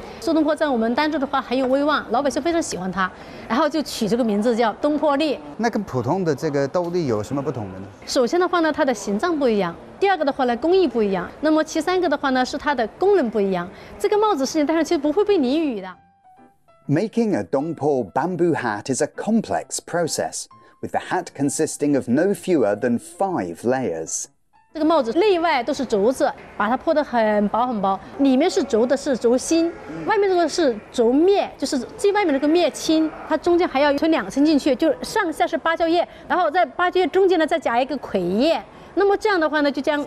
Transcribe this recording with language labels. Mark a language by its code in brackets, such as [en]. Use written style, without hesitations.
[zh] 苏东坡在我们丹州的话很有威望，老百姓非常喜欢他，然后就取这个名字叫东坡笠。那跟普通的这个斗笠有什么不同的呢？首先的话呢它的形状不一样，第二个的话呢工艺不一样，那么其三个的话呢是它的功能不一样。这个帽子是你戴上去不会被淋雨的。 [en] Making a Dongpo bamboo hat is a complex process, with the hat consisting of no fewer than 5 layers. [zh] 这个帽子内外都是竹子，把它铺得很薄很薄，里面是竹的是竹心，外面这个是竹面，就是最外面这个面青，它中间还要存两层进去，就上下是芭蕉叶，然后在芭蕉叶中间呢再夹一个葵叶，那么这样的话呢就将